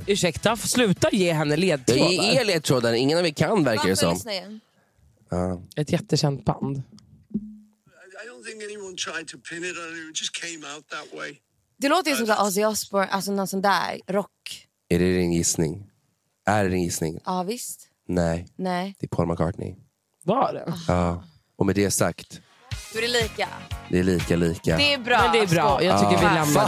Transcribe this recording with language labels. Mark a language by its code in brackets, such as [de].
[sv] Ursäkta, sluta ge henne ledtrådar. Det är ledtrådar, ingen av er kan verkar det som. Ett jättekänt band. [en] I don't think anyone tried to pin it on you. It just came out that way. [sv] Det låter ju som Ozzy Osbourne, alltså någon sån där rock. Är det din gissning? Är det din gissning? Ja, visst. Nej. Nej. Det är Paul McCartney. Var det? Ja. Och med det sagt, hur är det lika? Det är lika. Det är bra. Men det är bra. Jag tycker vi lämnar